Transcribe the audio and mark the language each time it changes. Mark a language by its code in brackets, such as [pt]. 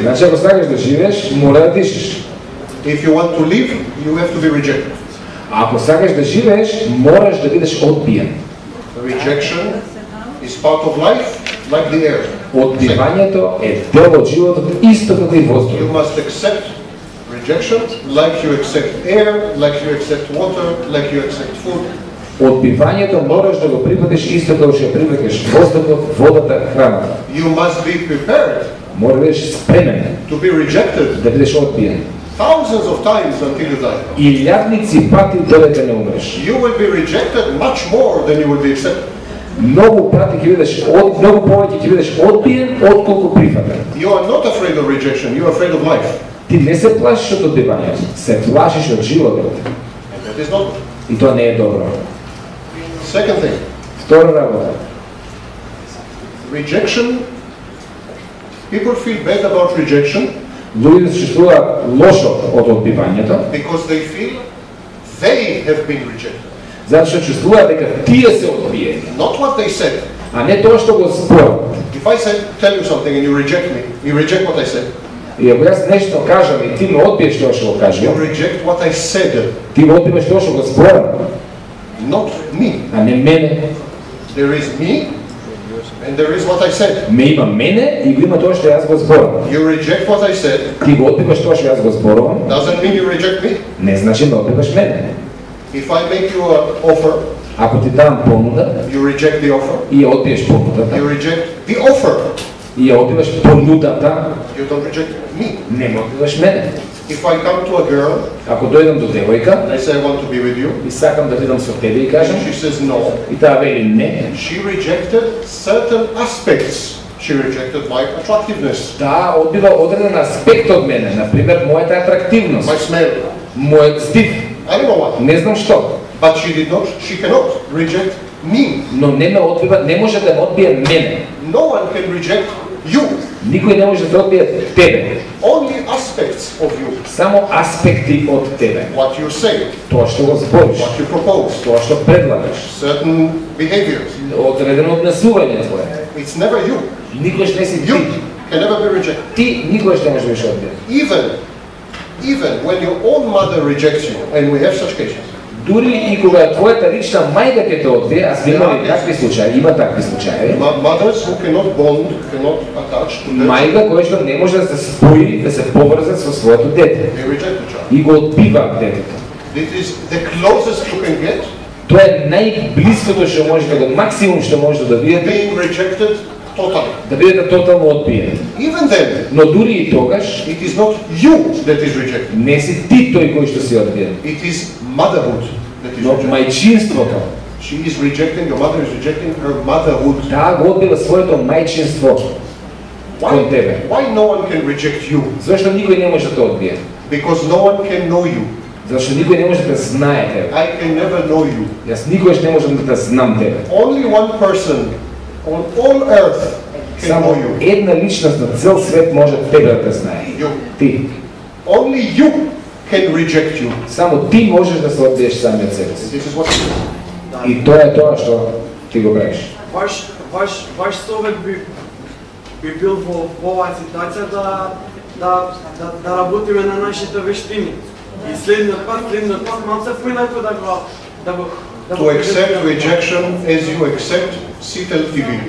[mk] Значи ако сакаш да живееш, мора да дишиш. [en] If you want to live, you have to be rejected. [mk] Ако сакаш да живееш, мораш да бидеш одбиен. [en] Rejection is part of life, like the air. [mk] Одбивањето е дел од животот, исто како и воздух. [en] You must accept rejection, like you accept air, like you accept water, like you accept food. [mk] Одбивањето мораш да го прифатиш исто како што прифаќаш воздухот, водата, храната. [en] You must be prepared. [mk] Мора да бидеш спремен. [en] To be rejected. [mk] Да бидеш одбиен. [en] Thousands of times until you die. [mk] И илјадници пати додека не умреш. [en] You will be rejected much more than you will be accepted. [mk] Многу пати ќе бидеш многу повеќе ќе бидеш одбиен отколку прифатен. [en] You are not afraid of rejection, you are afraid of life. [mk] Ти не се плашиш од одбивање, се плашиш од животот. И тоа не е добро. [en] Second thing. [mk] Втора работа. [en] Rejection. People feel bad about rejection. [mk] Луѓето се чувствуваат лошо од одбивањето. [en] Because they feel they have been rejected. [mk] Затоа што чувствуваат дека тие се одбиени. [en] Not what they said. [mk] А не тоа што го зборуваат. [en] If I say, tell you something and you reject me, you reject what I said. [mk] И ако јас нешто кажам и ти ме одбиеш тоа што го кажам, [en] you reject what I said. [mk] Ти ме одбиеш тоа што го зборам. [en] Not me. [mk] А не мене. [en] There is me. And there is what I said. [mk] Ме има мене и го има тоа што јас го зборувам. [en] You reject what I said. [mk] Ти го одбиваш тоа што јас го зборувам. [en] Doesn't mean you reject me. [mk] Не значи да одбиваш мене. [en] If I make you an offer. [mk] Ако ти дам понуда. [en] You reject the offer. [mk] И ја одбиваш понудата. [en] You reject the offer. [mk] И ја одбиваш понудата. [en] You don't reject me. [mk] Не ме одбиваш мене. [en] If I come to a girl, [mk] ако дојдам до девојка, [en] I say I want to be with you. [mk] И сакам да бидам со тебе и кажам. [en] She says no. [mk] И таа вели не. [en] She rejected certain aspects. She rejected my attractiveness. [mk] Да, одбива одреден аспект од мене, на пример мојата атрактивност. [en] My smell. [mk] Мојот стив. [en] I don't know what. [mk] Не знам што. [en] But she did not. She cannot reject me. [mk] Но не ме одбива, не може да ме одбие мене. [en] No one can reject you. [mk] Никој не може да одбие тебе. [en] Only aspects of you. [mk] Само аспекти од тебе. [en] What you say. [mk] Тоа што го збориш. [en] What you propose. [mk] Тоа што предлагаш. [en] Certain behaviors. [mk] Одредено однесување твое. [en] It's never you. [mk] Никогаш не си ти. [en] You can never be rejected. [mk] Ти никогаш не можеш да одбиеш. [en] Even when your own mother rejects you, and we have such cases. [mk] Дури и кога твојата лична мајка ќе те одбие, а сме имали такви случаи, има такви случаи. [en] Mothers who cannot bond, cannot attach to them. [mk] Мајка која што не може да се спои, да се поврзе со своето дете. [en] They reject the child. [mk] И го одбива детето. [en] This is the closest you can get. [mk] Тоа е најблиското што може да го, максимум што може да видите. [en] Being rejected totally. [mk] Да бидете тотално одбиен. [en] Even then. [mk] Но дури и тогаш. [en] It is not you that is rejected. [mk] Не си ти тој кој што си одбиен. [en] It is motherhood that is rejected. [mk] Но мајчинството. [en] She is rejecting, your mother is rejecting her motherhood. [mk] Да, го одбива своето мајчинство кон тебе. [en] Why no one can reject you? [mk] Зашто никој не може да те одбие? [en] Because no one can know you. [mk] Зашто никој не може да знае тебе. [en] I can never know you. [mk] Јас никогаш не можам да знам тебе. [en] Only one person on all earth can know you. [mk] Само една личност на цел свет може тебе да те знае. [en] You. [mk] Ти. [en] Only you can reject you. [mk] Само ти можеш да се одбиеш самиот себе. [en] This is what you do. [mk] И тоа е тоа што ти го правиш. Ваш совет би бил во оваа ситуација да работиме на нашите вештини. И следниот пат малце поинако да го [en] To accept rejection as you accept CTL TV.